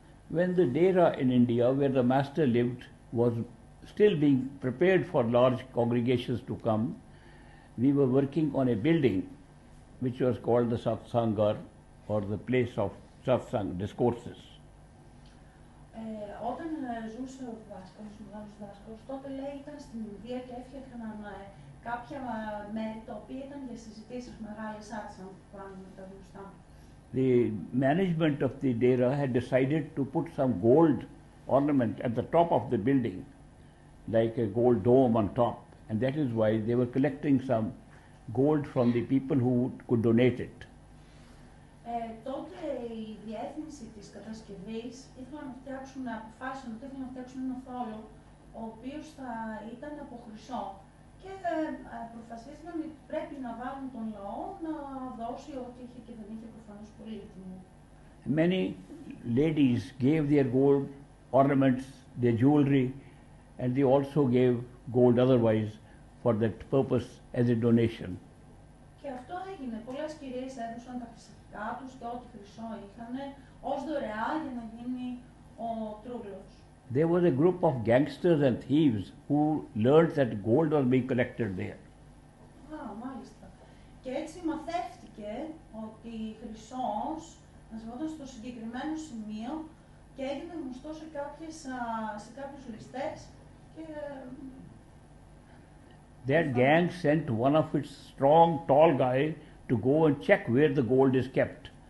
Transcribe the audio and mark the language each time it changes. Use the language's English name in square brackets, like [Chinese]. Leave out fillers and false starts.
[English] When the Dera in India, where the master lived, was still being prepared for large congregations to come, we were working on a building which was called the Satsangar, or the place of Satsang, discourses. [Greek] Όταν ζούσε ο δάσκαλος, ο μεγάλος δάσκαλος, τότε λέει ήταν στην Ινδία και έφτιαχναν κάποια μέρη τα οποία ήταν για συζητήσεις μεγάλες Satsang που κάνουμε τα γνωστά. [English] The management of the Dera had decided to put some gold ornament at the top of the building, like a gold dome on top, and that is why they were collecting some gold from the people who could donate it. [Greek] Τότε η διεύθυνση της κατασκευής ήθελαν να φτιάξουν, να αποφάσισαν ότι ήθελαν να φτιάξουν ένα θόλο ο οποίος θα ήταν από χρυσό και αποφασίσαν ότι πρέπει να βάλουν τον λαό να δώσει ό,τι είχε και δεν είχε προφανώς πολύ τιμή. [English] Many ladies gave their gold ornaments, their jewelry, and they also gave gold otherwise for that purpose as a donation. [Greek] Και αυτό έγινε. Πολλές κυρίες έδωσαν τα φυσικά τους και ό,τι χρυσό είχαν ως δωρεά για να γίνει ο τρούγλος. [English] There was a group of gangsters and thieves who learned that gold was being collected there. [Greek] Α, μάλιστα. Και έτσι μαθεύτηκε ότι χρυσός μαζευόταν στο συγκεκριμένο σημείο και έγινε γνωστό σε κάποιους ληστές και [English] that gang sent one of its strong, tall guy to go and check where the gold is kept.